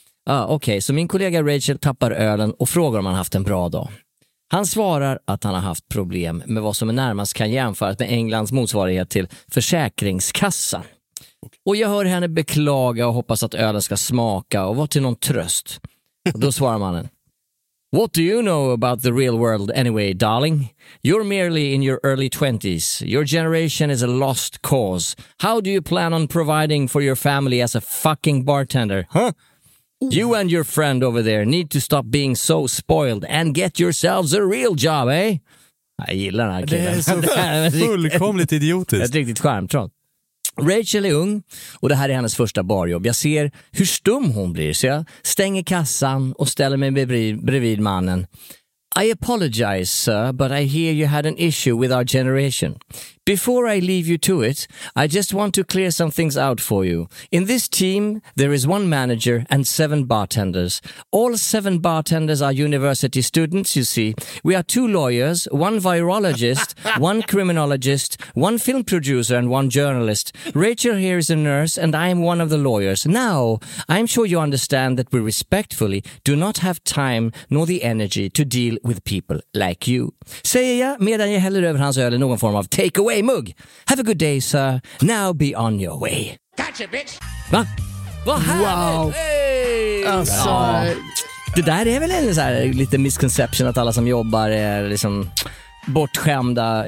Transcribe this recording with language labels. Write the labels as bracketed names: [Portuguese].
[Swedish] Okej, så min kollega Rachel tappar ölen och frågar om han haft en bra dag. Han svarar att han har haft problem med vad som är närmast kan jämföras med Englands motsvarighet till Försäkringskassan. Okay. Och jag hör henne beklaga och hoppas att ölen ska smaka och vara till någon tröst. Då svarar mannen: [English] what do you know about the real world anyway, darling? You're merely in your early 20s. Your generation is a lost cause. How do you plan on providing for your family as a fucking bartender? Huh? Ooh. You and your friend over there need to stop being so spoiled and get yourselves a real job, eh? [Swedish] Jag gillar den här killen. Det är så fullkomligt idiotiskt. Ett riktigt skärmtrott. Rachel är ung och det här är hennes första barjobb. Jag ser hur stum hon blir, så jag stänger kassan och ställer mig bredvid mannen. [English] I apologize, sir, but I hear you had an issue with our generation. Before I leave you to it, I just want to clear some things out for you. In this team, there is one manager and seven bartenders. All seven bartenders are university students, you see. We are two lawyers, one virologist, one criminologist, one film producer and one journalist. Rachel here is a nurse and I am one of the lawyers. Now, I'm sure you understand that we respectfully do not have time nor the energy to deal with people like you. [Swedish] Säger jag medan jag häller över hans öl i någon form av takeaway. [English] Hey, mugg. Have a good day, sir. Now be on your way. Gotcha, bitch. [Swedish] Va? Vad härligt! Wow. Hey. Alltså. Det där är väl en så här lite misconception att alla som jobbar är liksom bortskämda.